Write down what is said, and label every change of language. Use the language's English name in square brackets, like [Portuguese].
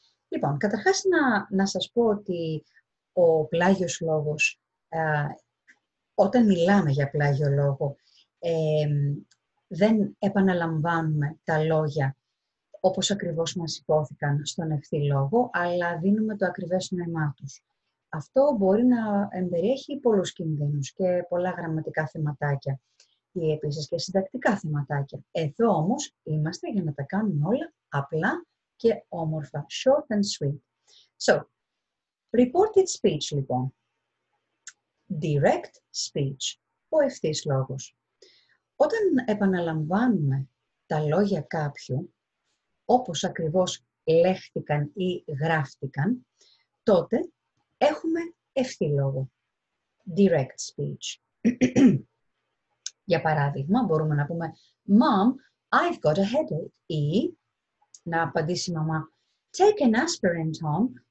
[Greek] Λοιπόν, καταρχάς να σας πω ότι ο πλάγιος λόγος, όταν μιλάμε για πλάγιο λόγο, δεν επαναλαμβάνουμε τα λόγια όπως ακριβώς μας υπόθηκαν στον ευθύ λόγο, αλλά δίνουμε το ακριβές νόημά τους. Αυτό μπορεί να εμπεριέχει πολλούς κινδύνους και πολλά γραμματικά θεματάκια ή επίσης και συντακτικά θεματάκια. Εδώ όμως είμαστε για να τα κάνουμε όλα απλά και όμορφα. [English] Short and sweet. So, reported speech [Greek] λοιπόν. [English] Direct speech. [Greek] Ο ευθύς λόγος. Όταν επαναλαμβάνουμε τα λόγια κάποιου, όπως ακριβώς λέχτηκαν ή γράφτηκαν, τότε έχουμε ευθύ λόγο. [English] Direct speech. [Greek] Για παράδειγμα, μπορούμε να πούμε [English] «Mom, I've got a headache» [Greek] ή να απαντήσει η μαμά [English] «Take an aspirin, Tom».